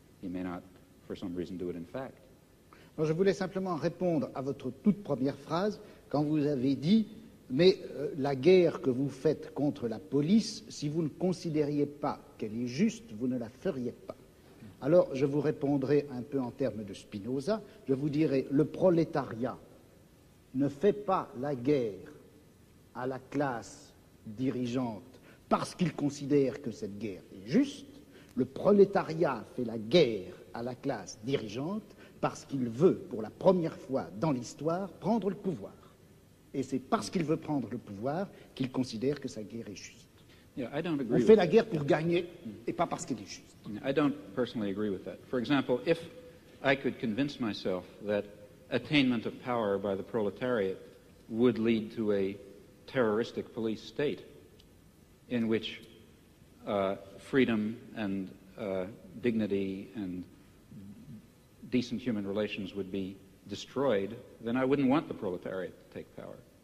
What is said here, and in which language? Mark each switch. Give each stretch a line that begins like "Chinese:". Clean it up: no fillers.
English: He may not, for some reason, do it in fact.
French: Alors, je voulais simplement répondre à votre toute première phrase quand vous avez dit « Mais la guerre que vous faites contre la police, si vous ne considériez pas qu'elle est juste, vous ne la feriez pas. » Alors, je vous répondrai un peu en termes de Spinoza. Je vous dirai « Le prolétariat ne fait pas la guerre à la classe dirigeante parce qu'il considère que cette guerre est juste, le prolétariat fait la guerre à la classe dirigeante parce qu'il veut, pour la première fois dans l'histoire, prendre le pouvoir. Et c'est parce qu'il veut prendre le pouvoir qu'il considère que sa guerre est juste.
English: Yeah, I don't agree.
French: On fait la guerre pour gagner et pas parce qu'elle est juste.
English: Yeah, I don't personally agree with that. For example, if I could convince myself that attainment of power by the proletariat would lead to a terroristic police state, in which freedom and dignity and decent human relations would be destroyed, then I wouldn't want the proletariat to take power.